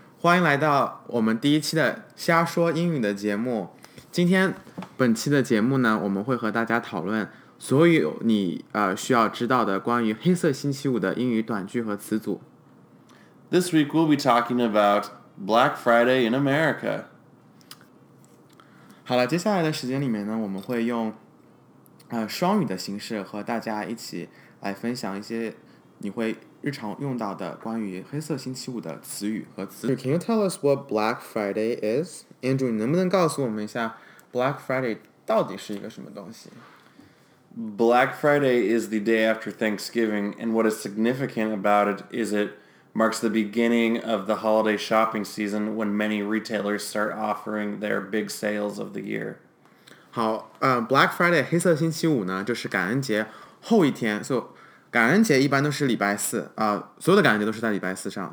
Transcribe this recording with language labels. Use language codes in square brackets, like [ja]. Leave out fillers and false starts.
[zh] 欢迎来到我们第一期的瞎说英语的节目。今天本期的节目呢，我们会和大家讨论所有你需要知道的关于黑色星期五的英语短句和词组。 [en] This week we'll be talking about Black Friday in America. [zh] 好了，接下来的时间里面呢，我们会用双语的形式和大家一起来分享一些你会日常用到的关于黑色星期五的词语和词语。 [en] Can you tell us what Black Friday is? [zh] Andrew, 能不能告诉我们一下 Black Friday 到底是一个什么东西？ [en] Black Friday is the day after Thanksgiving, and what is significant about it is it marks the beginning of the holiday shopping season when many retailers start offering their big sales of the year. [zh] 好，Black Friday, 黑色星期五呢，就是感恩节后一天。 So, 感恩节一般都是礼拜四，所有的感恩节都是在礼拜四上。